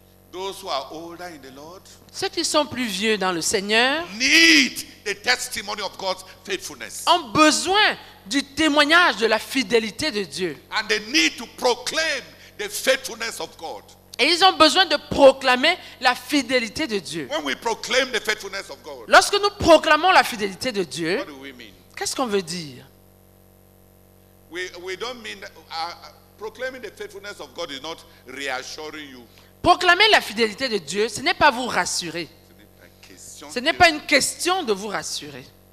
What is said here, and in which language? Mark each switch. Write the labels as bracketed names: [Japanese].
[English] Those who are older in the Lord, [French] ceux qui sont plus vieux dans le Seigneur, [English] need the testimony of God's faithfulness. [French] Ont besoin du témoignage de la fidélité de Dieu. [English] And they need to proclaim the faithfulness of God. [French] Et ils ont besoin de proclamer la fidélité de Dieu. [English] When we proclaim the faithfulness of God, [French] lorsque nous proclamons la fidélité de Dieu, [English] what do we mean? [French] Qu'est-ce qu'on veut dire? [English] We don't mean proclaiming the faithfulness of God is not reassuring you. [French] Proclamer la fidélité de Dieu, ce n'est pas vous rassurer. Ce n'est pas une question de vous rassurer.